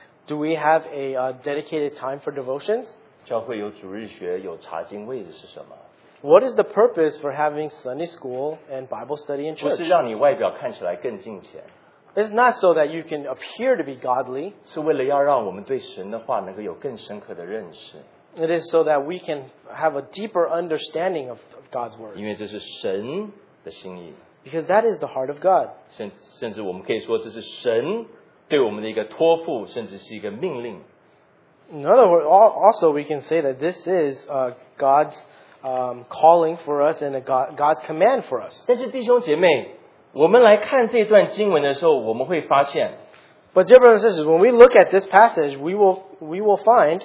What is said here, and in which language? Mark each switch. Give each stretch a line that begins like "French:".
English: Do we have a dedicated time for devotions?
Chinese: 教会有主日学,有查经位置是什么?
English: What is the purpose for having Sunday school and Bible study in church?
Chinese: 不是让你外表看起来更敬虔。
English: It's not so that you can appear to be godly.
Chinese: 是为了要让我们对神的话能够有更深刻的认识。
English: It is so that we can have a deeper understanding of God's word.
Chinese: 因为这是神的心意。
English: Because that is the heart of God.
Chinese: 甚至我们可以说这是神对我们的一个托付, 甚至是一个命令。
English: In other words, also we can say that this is God's calling for us and God's command for us.
Chinese: 但是弟兄姐妹, 我们来看这段经文的时候, 我们会发现,
English: But dear brothers and sisters, when we look at this passage, we will find